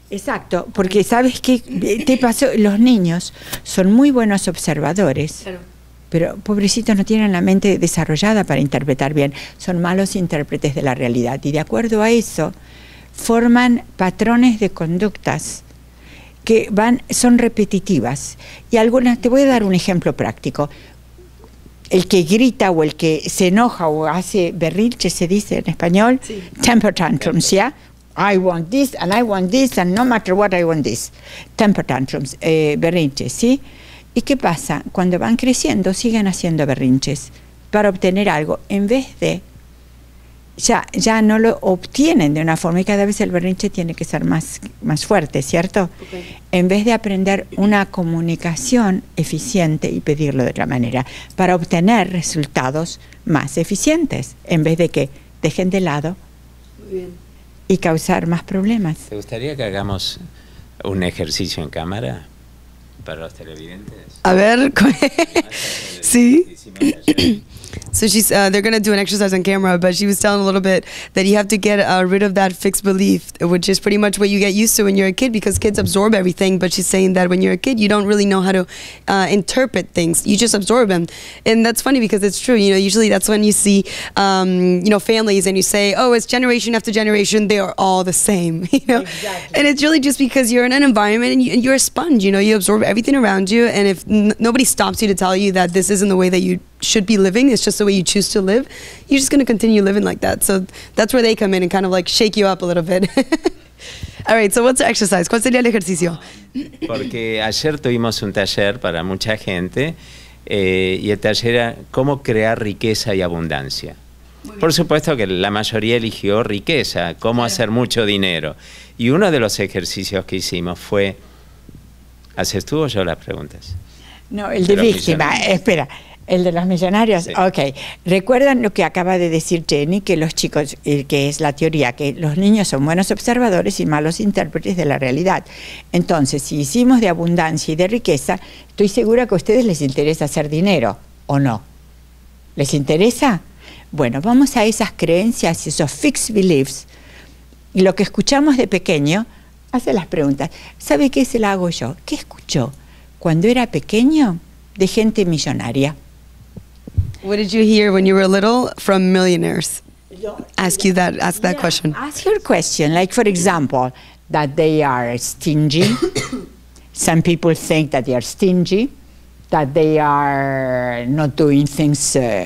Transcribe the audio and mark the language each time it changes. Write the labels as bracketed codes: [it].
[es] Exacto, porque sabes que te pasó, los niños son muy buenos observadores, pero pobrecitos no tienen la mente desarrollada para interpretar bien, son malos intérpretes de la realidad y de acuerdo a eso forman patrones de conductas que van, son repetitivas. Y algunas, te voy a dar un ejemplo práctico. El que grita o el que se enoja o hace berrinche, se dice en español, sí. [en] Temper tantrums, ¿ya? Yeah? I want this, and no matter what, I want this. [es] Temper tantrums, berrinches, ¿sí? ¿Y qué pasa? Cuando van creciendo, siguen haciendo berrinches para obtener algo, en vez de, ya no lo obtienen de una forma, y cada vez el berrinche tiene que ser más fuerte, ¿cierto? [en] Okay. [es] En vez de aprender una comunicación eficiente y pedirlo de otra manera, para obtener resultados más eficientes, en vez de que dejen de lado y causar más problemas. ¿Te gustaría que hagamos un ejercicio en cámara para los televidentes? A ver, sí. [en] So she's, they're going to do an exercise on camera, but she was telling a little bit that you have to get rid of that fixed belief, which is pretty much what you get used to when you're a kid, because kids absorb everything. But she's saying that when you're a kid, you don't really know how to interpret things. You just absorb them. And that's funny because it's true. You know, usually that's when you see, you know, families and you say, oh, it's generation after generation. They are all the same, you know, exactly. And it's really just because you're in an environment and you're a sponge. You know, you absorb everything around you. And if nobody stops you to tell you that this isn't the way that you should be living, it's just the way you choose to live, you're just going to continue living like that. So that's where they come in and kind of like shake you up a little bit. All right, so what's the exercise? [es] ¿Cuál sería el ejercicio? Porque ayer tuvimos un taller para mucha gente y el taller era cómo crear riqueza y abundancia. Por supuesto que la mayoría eligió riqueza, cómo hacer mucho dinero. Y uno de los ejercicios que hicimos fue, ¿haces tú o yo las preguntas? No, el de víctima, espera. ¿El de los millonarios? Sí. Ok. ¿Recuerdan lo que acaba de decir Jenny? Que los chicos, que es la teoría, que los niños son buenos observadores y malos intérpretes de la realidad. Entonces, si hicimos de abundancia y de riqueza, estoy segura que a ustedes les interesa hacer dinero, ¿o no? ¿Les interesa? Bueno, vamos a esas creencias, esos fixed beliefs. Y lo que escuchamos de pequeño, hace las preguntas. ¿Sabe qué se la hago yo? ¿Qué escuchó cuando era pequeño de gente millonaria? [en] What did you hear when you were little from millionaires? Ask that question. Ask your question. Like, for example, that they are stingy. Some people think that they are stingy, that they are not doing things